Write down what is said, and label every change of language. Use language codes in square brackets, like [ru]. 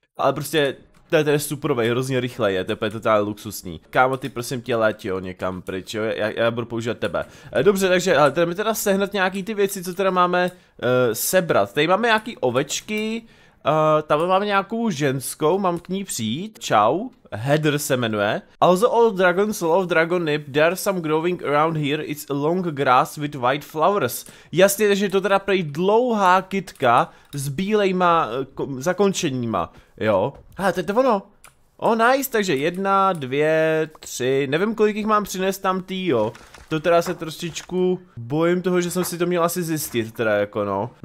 [cs] Ale prostě, to je superovej, hrozně rychle je, to je totálně luxusní. Kámo, ty prosím tě leť, jo, někam pryč, jo, já budu používat tebe. Dobře, takže, ale tady mi teda sehnat nějaký ty věci, co teda máme sebrat. Tady máme nějaký ovečky, tam máme nějakou ženskou, mám k ní přijít, čau. Heather se jmenuje. [en] Also all dragons love dragon nip, there are some growing around here, it's long grass with white flowers. [cs] Jasně, že je to teda prej dlouhá kytka s bílejma zakončeníma, jo. Hele, to je to ono. [en] Oh nice, [cs] takže 1, 2, 3, nevím kolik jich mám přinést tam tý, jo. To teda se trošičku bojím toho, že jsem si to měl asi zjistit, teda jako no.